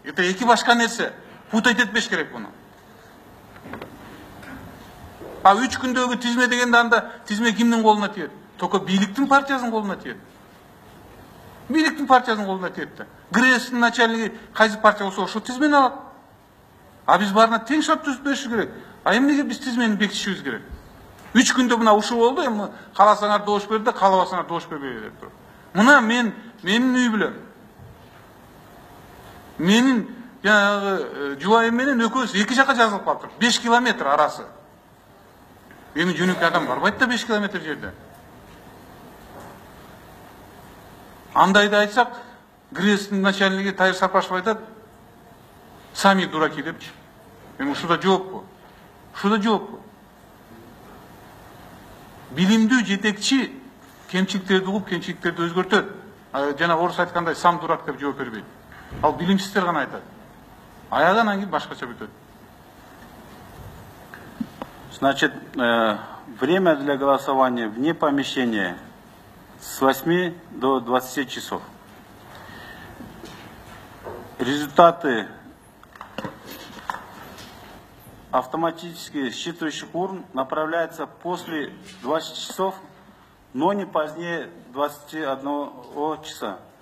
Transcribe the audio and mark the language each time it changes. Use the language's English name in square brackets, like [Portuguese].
[Kyrgyz] Это эки башка нерсе, путать этпеш керек буну. А 3 күндөгү тизме дегенде анда тизме кимдин колуна тиет? Только бийликтин партиясынын колуна тиет да. ГРСнин начальниги кайсы партия болсо ошол тизмени алат. А биз баарына тең шарт түзүп беришибиз керек. А эмнеге биз тизмени бекитишибиз керек? 3 күндө мына ушул болду, эми кааласаңар добуш бер да, каалабасаңар добуш бербей деп туруп. Мына менин үй бүлөм. Менин жанагы Жулайым менен экөөбүз эки жака жазылып калыптыр. 5 километр арасы. Эми жөнөкөй адам барбайт да 5 километр жерде. Андайды айтсак, ГРЭСТИН начальниги Тайыр Сапашев айтат, [Russian] сами дураки [Kyrgyz] депчи. Эми ушуда жоопку. Ушуда жоопку. Билимдүү жетекчи кемчиликтерди угуп, кемчиликтерди өзгөртөт. Жана орус айткандай [Russian] сам дурак [Kyrgyz] деп жооп бербейт. Ал билимсиздер гана айтат. Аягынан кийин башкача бүтөт. [Russian] Значит, время для голосования вне помещения с 8 до 20 часов. Результаты автоматически считывающих урн направляются после 20 часов, но не позднее 21 часа.